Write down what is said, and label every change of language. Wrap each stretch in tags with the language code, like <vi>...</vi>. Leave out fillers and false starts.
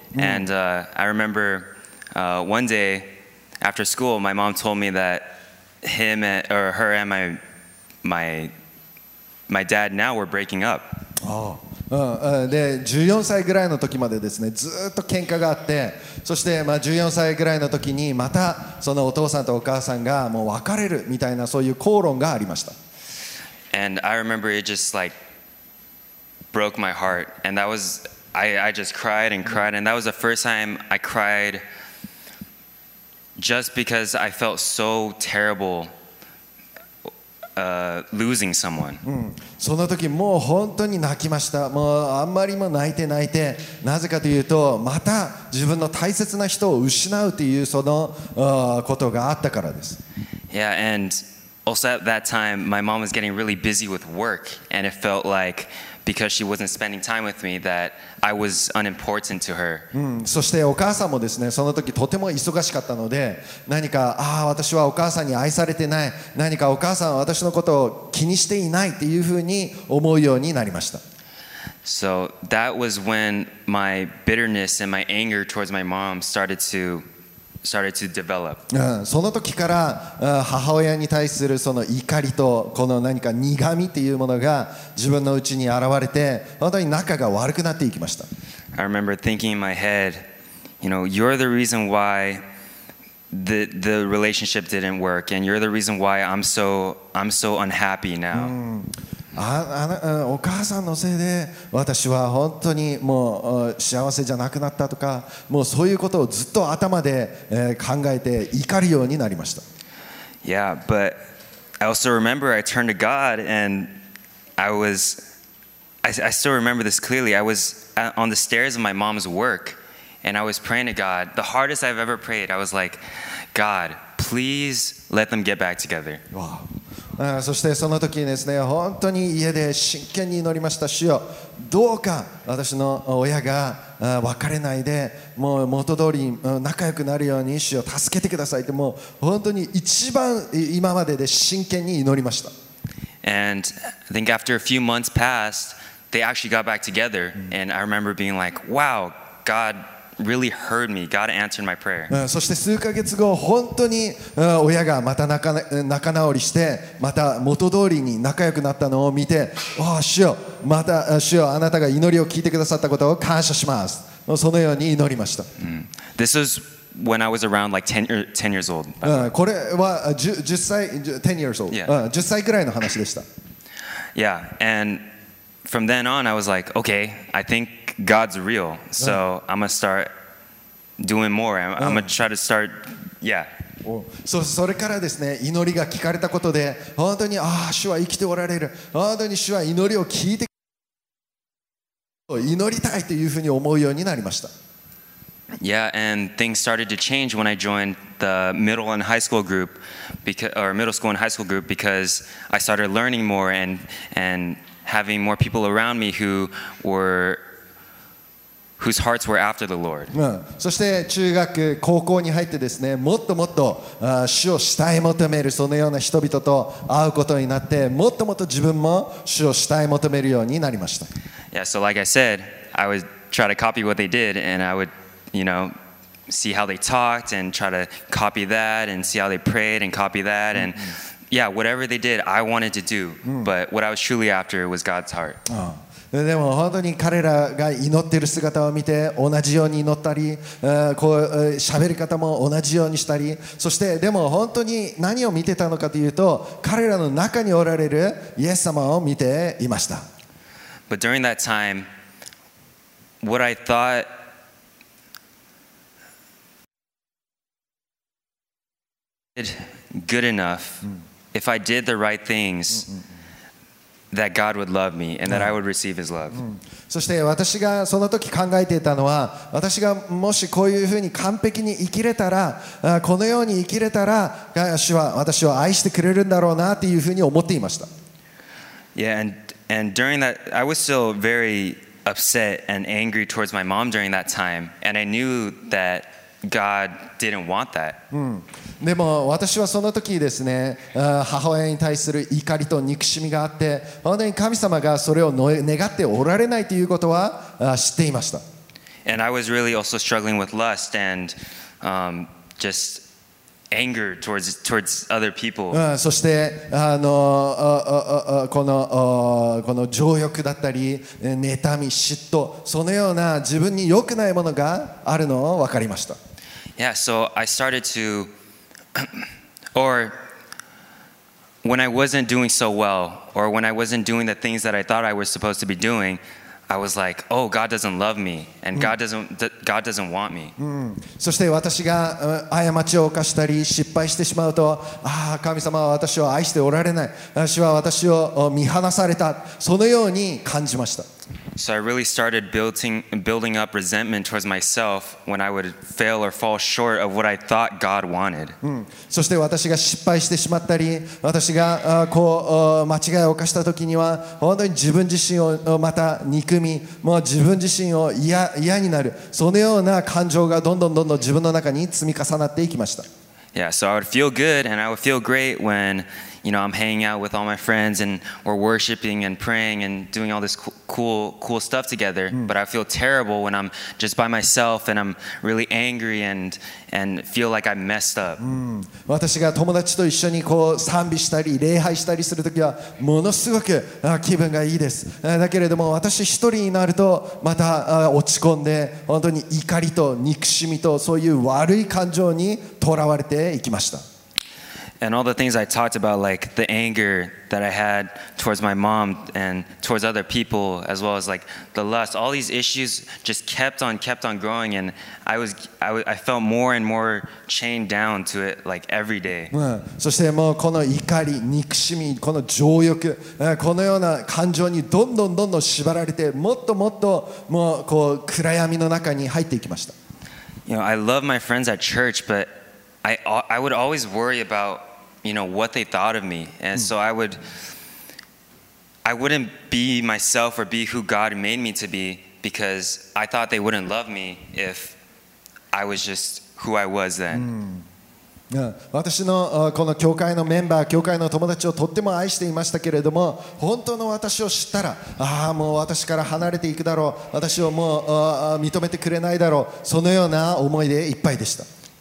<en>And I remember one day after school, my mom told me that him and, or her and my dad now were breaking up. Oh.</en> <ja>で14歳ぐらいの時までですねずっと喧嘩があってそして、まあ、14歳ぐらいの時にまたそのお父さんとお母さんがもう別れるみたいなそういう口論がありました</ja> <en>And I remember it just like broke my heart And that was I just cried and cried And that was the first time I cried Just because I felt so terriblelosing someone.</en> <ja>その時もう本当に泣きました。もうあんまりも泣いて泣いて、なぜかというと、また自分の大切な人を失うというそのことがあったからです。</ja> <en>Yeah, and also at that time, my mom was getting really busy with work, and it felt like because she wasn't spending time with me that I was unimportant to her.</en> <ja>そしてお母さんもですね、その時とても忙しかったので、何か、ああ、私はお母さんに愛されてない、何かお母さんは私のことを気にしていないっていうふうに思うようになりました。</ja> <en>So that was when my bitterness and my anger towards my mom started to develop.</en> <ja>その時から母親に対するその怒りとこの何か苦味というものが自分のうちに現れて本当に仲が悪くなっていきました。</ja> <en>I remember thinking in my head, you know, you're the reason why the relationship didn't work, and you're the reason why I'm so unhappy now.</en> <ja>お母さんのせいで私は本当にもう幸せじゃなくなったとかもうそういうことをずっと頭で考えて怒るようになりました</ja> <en>Yeah, but I also remember I turned to God and I still remember this clearly I was on the stairs of my mom's work and I was praying to God the hardest I've ever prayed I was like, God, please let them get back together Wow.</en> <ja>そしてその時ですね、本当に家で真剣に祈りました。主よ、どうか私の親が別れないで、もう元通り仲良くなるように主よ助けてくださいって、もう本当に一番今までで真剣に祈りました。</ja> <en>And I think after a few months passed, they actually got back together, and I remember being like, wow, God. Really heard me. God answered my prayer.</en> <ja>そして数ヶ月後本当に親がまた仲直りしてまた元通りに仲良くなったのを見て、ああ主よまた主よあなたが祈りを聞いてくださったことを感謝します。そのように祈りました。</ja> <en>This is when I was around like 10 years old.</en> <ja>これは10歳 10歳ぐらいの話でした。</ja> <en>Yeah, and from then on, I was like, okay, I think. God's real, so I'm gonna start doing more. I'm gonna try to start, yeah.</en> <ja>So, それからですね、祈りが聞かれたことで、本当に、ああ、主は生きておられる。本当に主は祈りを聞いて、祈りたいというふうに思うようになりました。</ja> <en>Yeah, and things started to change when I joined the middle and high school group, or middle school and high school group, because I started learning more and having more people around me who were. Whose hearts were after the Lord.</en> <ja>そして中学高校に入ってですね、もっともっと主を慕い求めるそのような人々と会うことになって、もっともっと自分も主を慕い求めるようになりました。</ja> <en>Yeah, so like I said, I would try to copy what they did, and I would, you know, see how they talked, and try to copy that, and see how they prayed, and copy that, and yeah, whatever they did, I wanted to do. But what I was truly after was God's heart.</en> <ja>でも本当に彼らが祈ってる姿を見て同じように祈ったり、こう喋り方も同じようにしたり、そしてでも本当に何を見てたのかというと、彼らの中におられるイエス様を見ていました。</ja> <en>But during that time, what I thought good enough, if I did the right things, that God would love me and that I would receive His love.</en> <ja>そして私がその時考えていたのは、私がもしこういうふうに完璧に生きれたら、このように生きれたら、主は私を愛してくれるんだろうなというふうに思っていました。</ja> <en>Yeah, and during that, I was still very upset and angry towards my mom during that time, and I knew that God didn't want that.</en> <ja>でも私はその時ですね、母親に対する怒りと憎しみがあって、本当に神様がそれを願っておられないということは知っていました。</ja> <en>And I was really also struggling with lust and just anger towards other people.</en> <ja>そしてこの情欲だったり妬み嫉妬、そのような自分に良くないものがあるのを分かりました。</ja> <en>Yeah, so I started to or when I wasn't doing so well, or when I wasn't doing the things that I thought I was supposed to be doing, I was like, oh, God doesn't love me, and God doesn't want me.</en> <ja>そして私が過ちを犯したり失敗してしまうと、ああ、神様は私を愛しておられない。私は私を見放された。そのように感じました。</ja> <en>So I really started building up resentment towards myself when I would fail or fall short of what I thought God wanted.</en> <ja>そして私が失敗してしまったり、私がこう間違いを犯した時には、本当に自分自身をまた憎み、もう自分自身を嫌になる、そのような感情がどんどんどんどん自分の中に積み重なっていきました。</ja> <en>Yeah, so I would feel good and I would feel great whenYou know, I'm hanging out with all my friends and we're worshiping and praying and doing all this cool stuff together. But I feel terrible when I'm just by myself and I'm really angry and feel like I messed up.</en> <ja>私が友達と一緒にこう賛美したり礼拝したりするときはものすごく気分がいいです。だけれども私一人になるとまた落ち込んで、本当に怒りと憎しみとそういう悪い感情にとらわれていきました。</ja> <en>And all the things I talked about, like the anger that I had towards my mom and towards other people, as well as like the lust, all these issues just kept on growing, and I felt more and more chained down to it, like every day.</en> <ja>そしてもうこの怒り、憎しみ、この情欲、このような感情にどんどんどんどん縛られて、もっともっともうこう暗闇の中に入っていきました。</ja> <en>You know, I love my friends at church, but I would always worry about, you know, what they thought of me, and so I wouldn't be myself or be who God made me to be because I thought they wouldn't love me if I was just who I was then.</en> <ja>私のこの教会のメンバー、教会の友達をとっても愛していましたけれども、本当の私を知ったら、ああもう私から離れていくだろう、私をもう認めてくれないだろう、そのような思いでいっぱいでした。</ja>